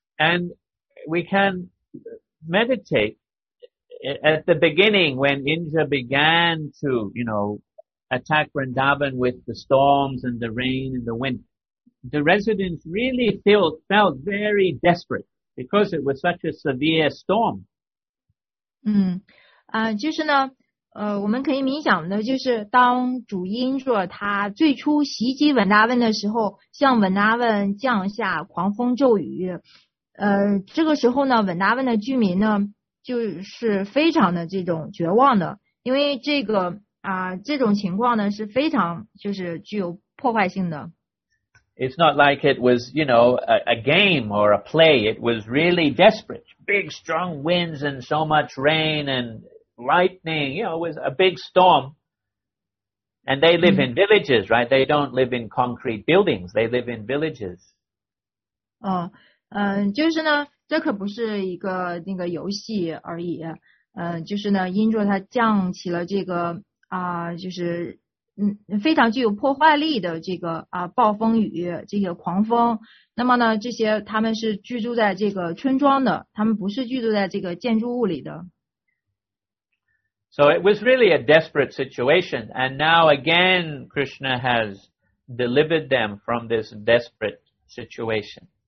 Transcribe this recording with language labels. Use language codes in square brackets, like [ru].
[en] And we can meditate at the beginning when Indra began to, you know, attack Vrindavan with the storms and the rain and the wind. The residents really felt very desperate because it was such a severe storm. [zh] 就是呢，我们可以冥想的，就是当主因若他最初袭击文达文的时候，向文达文降下狂风骤雨。这个时候呢，文达文的居民呢，就是非常的这种绝望的，因为这个这种情况呢是非常就是具有破坏性的。 [en] It's not like it was, you know, a game or a play. It was really desperate. Big, strong winds and so much rain and lightning. You know, it was a big storm. And they live in villages, right? They don't live in concrete buildings. They live in villages. [zh] 哦，嗯，就是呢，这可不是一个那个游戏而已。嗯，就是呢，因着它降起了这个啊，就是嗯，非常具有破坏力的这个啊暴风雨，这个狂风。那么呢，这些他们是居住在这个村庄的，他们不是居住在这个建筑物里的。 [en] So it was really a desperate situation, and now again Krishna has delivered them from this desperate situation.